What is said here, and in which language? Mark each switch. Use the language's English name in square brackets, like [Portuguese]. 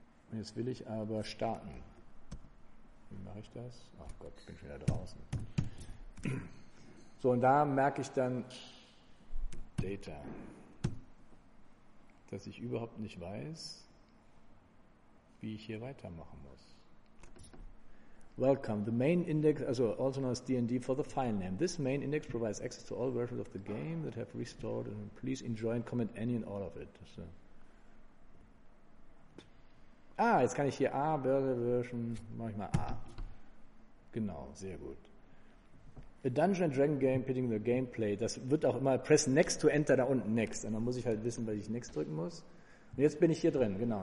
[German] Und jetzt will ich aber starten. Wie mache ich das? Ach Gott, ich bin schon wieder draußen. So, und da merke ich dann Data, dass ich überhaupt nicht weiß, wie ich hier weitermachen muss. [English] Welcome. The main index, also also known as D&D for the file name. This main index provides access to all versions of the game that have restored and please enjoy and comment any and all of it. [German] So. Ah, jetzt kann ich hier A, Börse, Version, mache ich mal A. Genau, sehr gut. [English] A Dungeon and Dragon Game Pitting the Gameplay. [German] Das wird auch immer, [English] press next to enter, [German] da unten [English] next. [German] Und dann muss ich halt wissen, was ich next drücken muss. Und jetzt bin ich hier drin, genau.